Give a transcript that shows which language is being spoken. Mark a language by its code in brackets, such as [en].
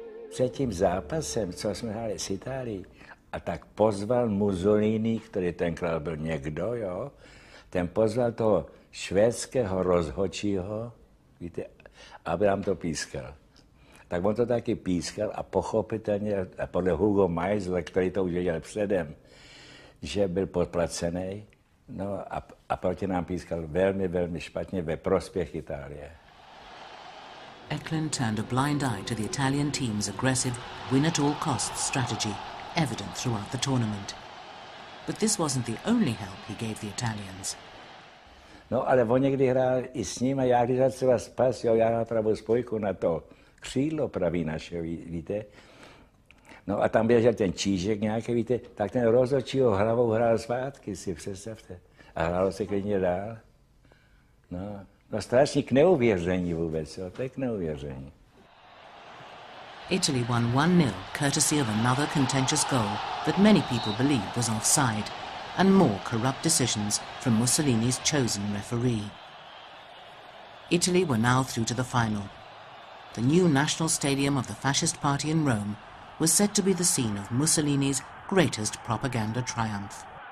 [cs] Předtím zápasem, co jsme hráli s Itálií, a tak pozval Mussolini, který tenkrát byl někdo, jo, ten pozval toho švédského rozhodčího, víte, aby nám to pískal. Tak on to taky pískal a pochopitelně, a podle Hugo Meisler, který to už věděl předem, že byl podplacený, no a proti nám pískal velmi, velmi špatně ve prospěch Itálie. [en] Eklund turned a blind eye to the Italian team's aggressive win-at-all-costs strategy, evident throughout the tournament. But this wasn't the only help he gave the Italians. [cs] No, ale on někdy hrál i s ním a já když se vás pas, jo, já na pravou spojku na to křídlo pravý naše, víte. No a tam běžel ten Čížek nějaký, víte, tak ten rozhodčí ho hlavou hrál zpátky, si představte. A hrálo se klidně dál. No, No strašně k neuvěření vůbec, jo, to je k neuvěření. [en] Italy won 1-0 courtesy of another contentious goal that many people believe was offside, and more corrupt decisions from Mussolini's chosen referee. Italy were now through to the final. The new national stadium of the Fascist Party in Rome was said to be the scene of Mussolini's greatest propaganda triumph.